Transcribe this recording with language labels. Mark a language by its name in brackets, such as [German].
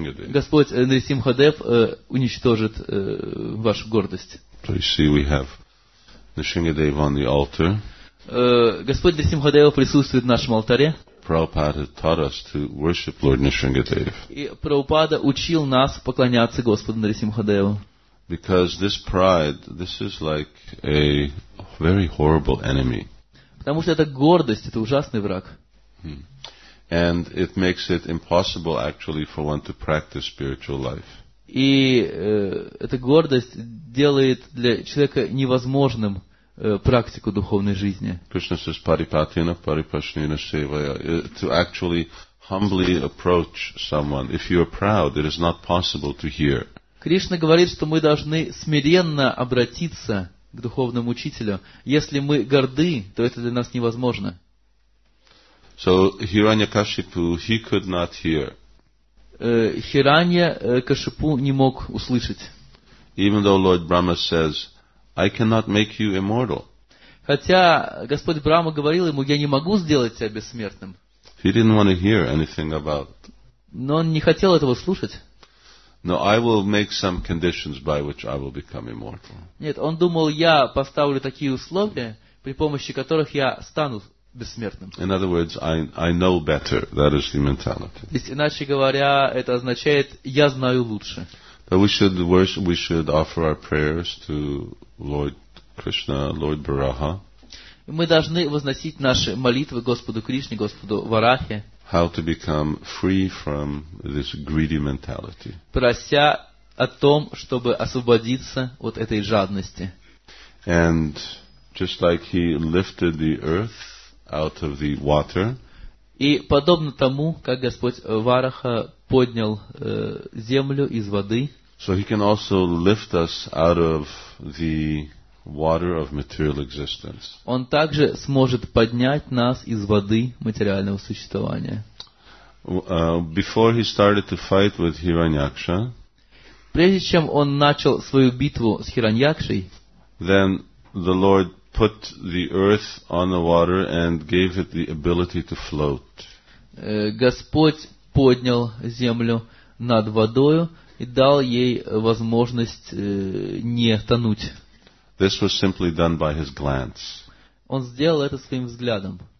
[Russian] Господь Нрисимхадев уничтожит вашу гордость. [English] So you see, we have Nrisimhadev on the altar. [Russian] Господь Нрисимхадев присутствует в нашем алтаре. [English] Prabhupada taught us to worship Lord Nrisimhadev. [Russian] И Прабхупада учил нас поклоняться Господу Нрисимхадеву. [English] Because this pride, this is like a very horrible enemy. [Russian] Потому что это гордость, это ужасный враг. [English] And it makes it impossible actually for one to practice spiritual life. [Russian] И эта гордость делает для человека невозможным практику духовной жизни. [English] Krishna says [Sanskrit] paripatina paripashnina sevaya. [English] To actually humbly approach someone, if you are proud, it is not possible to hear. [Russian] Кришна говорит, что мы должны смиренно обратиться к духовному учителю. Если мы горды, то это для нас невозможно. [English] So Hiranyakashipu, he could not hear. [Russian] Hiranyakashipu не мог услышать. [English] Even though Lord Brahma says, I cannot make you immortal. [Russian] Хотя Господь Брама говорил ему, я не могу сделать тебя бессмертным. [English] He didn't want to hear anything about it. [Russian] Но он не хотел этого слушать. [English] No, I will make some conditions by which I will become immortal. [Russian] Нет, он думал, я поставлю такие условия, при помощи которых я стану бессмертным. [English] In other words, I know better. That is the mentality. [Russian] То есть, иначе говоря, это означает, я знаю лучше. [English] But we should worship, we should offer our prayers to Lord Krishna, Lord Varaha. [Russian] Мы должны возносить наши молитвы Господу Кришне, Господу Варахе. [English] How to become free from this greedy mentality. [Russian] Прося о том, чтобы освободиться от этой жадности. [English] And just like he lifted the earth out of the water. [Russian] И подобно тому, как Господь Вараха поднял землю из воды. [English] So he can also lift us out of the water of material existence. [Russian] Он также сможет поднять нас из воды материального существования. [English] Before he started to fight with Hiranyaksha, [Russian] прежде чем он начал свою битву с Хираньякшей, [English] then the Lord put the earth on the water and gave it the ability to float. [Russian] Господь поднял землю над водою и дал ей возможность не тонуть. [English] This was simply done by his glance. [Russian] Он сделал это своим взглядом.